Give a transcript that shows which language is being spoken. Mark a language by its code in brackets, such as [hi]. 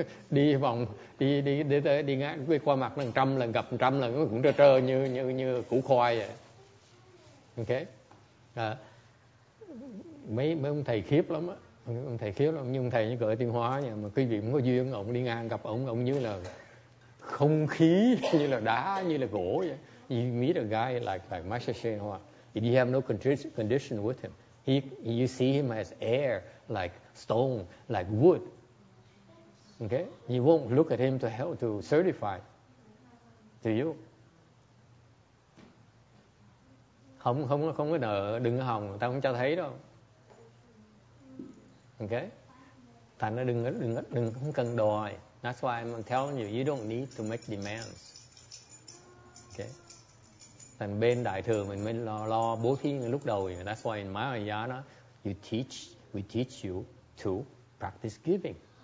[vi] Đi ngã qua mặt lần trăm lần, gặp trăm lần cũng trơ trơ như củ khoai vậy. Okay. Mấy ông thầy khiếp lắm á. Ông thầy khiếp lắm, nhưng thầy như cỡ Tiên Hóa nha, mà quý vị cũng có duyên, ông đi ngang gặp ông như là không khí, như là đá, như là gỗ vậy. [en] You meet a guy like Master Shen Hua. If you have no condition with him, you see him as air, like stone, like wood. Okay? You won't look at him to help to certify to you. [vi] Không có nợ, đừng có hòng, ta không cho thấy đâu. Okay. Thành nó đừng không cần đòi. [en] That's why I'm telling you, you don't need to make demands. Okay. [vi] Thành bên đại thừa mình mới lo bố thí lúc đầu. [en] That's why in Mahayana, we teach you to practice giving.